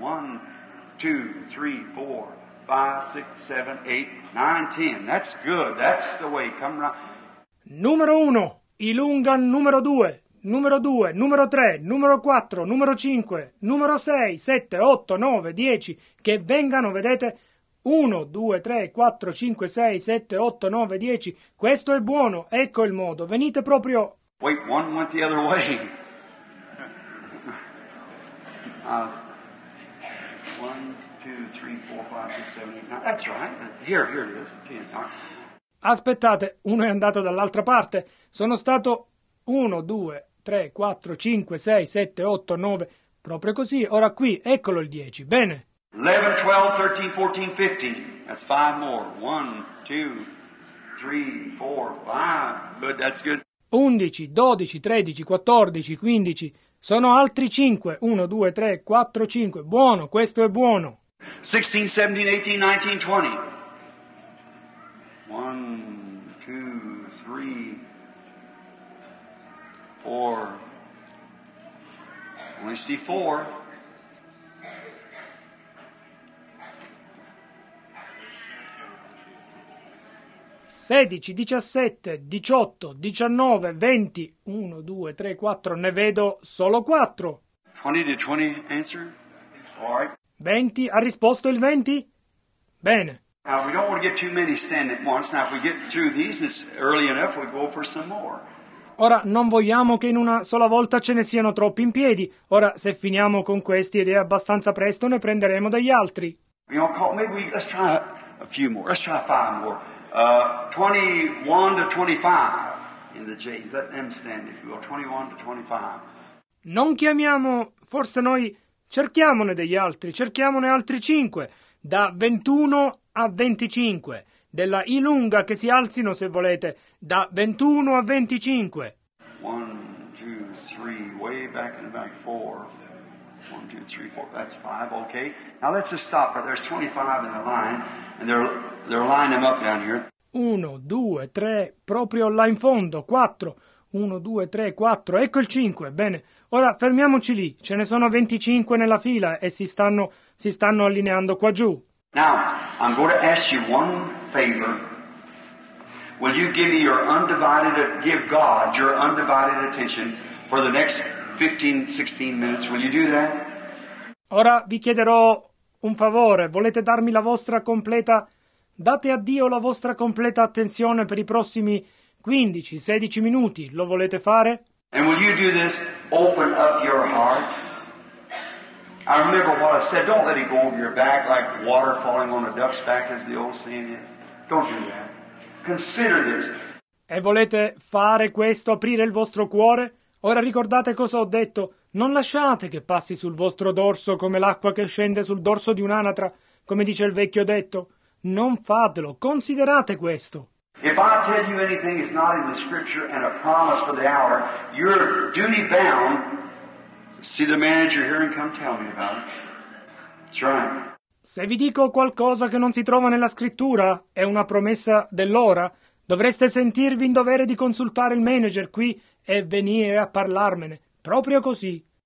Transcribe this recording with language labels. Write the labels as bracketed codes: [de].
[en] One, two, three, four, five, six, seven, eight, nine, ten. That's good. That's the way. Come right. [it] Numero uno, ilunga numero due. Numero 2, numero 3, numero 4, numero 5, numero 6, 7, 8, 9, 10, che vengano, vedete? 1, 2, 3, 4, 5, 6, 7, 8, 9, 10, questo è buono, ecco il modo, venite proprio... [en] Wait, one went the other way. One, two, three, four, five, six, seven, eight, nine, that's right, here, here it is, ten. [it] Aspettate, uno è andato dall'altra parte, sono stato 1, 2... 3, 4, 5, 6, 7, 8, 9, proprio così, ora qui, eccolo il 10, bene. [en] 11, 12, 13, 14, 15, that's 5 more, 1, 2, 3, 4, 5, good, that's good. [it] 11, 12, 13, 14, 15, sono altri 5, 1, 2, 3, 4, 5, buono, questo è buono. [en] 16, 17, 18, 19, 20, 1, 2, 3, 4, only see 4, [it] sedici, diciassette, diciotto, diciannove, venti, uno, due, tre, quattro, ne vedo solo 4. [en] 20 to 20 answer? All right. [it] 20, ha risposto il 20? Bene. [en] Now we don't want to get too many standing at once. Now if we get through these it's early enough, we go for some more. [it] Ora, non vogliamo che in una sola volta ce ne siano troppi in piedi. Ora, se finiamo con questi ed è abbastanza presto, ne prenderemo degli altri. [en] You know, call, maybe we, let's try a few more. Let's try 5 more. 21 to 25 in the J's. Let them stand if you will. 21 to 25. [it] Non chiamiamo, forse noi cerchiamone degli altri. Cerchiamone altri 5. Da 21 a 25. Della I lunga che si alzino se volete da 21 a 25. [en] 1 2 3 way back in the back 4 1 2 3 4 that's 5 okay. Now let's just stop right. There's 25 in the line and they're lining them up down here. [it] 1 2 3 proprio là in fondo 4 1 2 3 4 ecco il 5. Bene. Ora fermiamoci lì. Ce ne sono 25 nella fila e si stanno allineando qua giù. [en] Now I'm going to ask you one favor. Will you give me your undivided, give God your undivided attention for the next 15-16 minutes? Will you do that? [it] Ora vi chiederò un favore. Volete darmi la vostra completa? Date a Dio la vostra completa attenzione per i prossimi 15-16 minuti. Lo volete fare? [en] And will you do this? Open up your heart. I remember what I said. Don't let it go over your back like water falling on a duck's back, as the old saying is. Don't do that. Consider this. [it] E volete fare questo, aprire il vostro cuore? Ora ricordate cosa ho detto. Non lasciate che passi sul vostro dorso come l'acqua che scende sul dorso di un'anatra, come dice il vecchio detto. Non fatelo. Considerate questo. [en] If I tell you anything is not in the scripture and a promise for the hour, you're duty bound. See the manager here and come tell me about it. That's right. [it] Se vi dico qualcosa che non si trova nella scrittura, è una promessa dell'ora, dovreste sentirvi in dovere di consultare il manager qui e venire a parlarmene. Proprio così.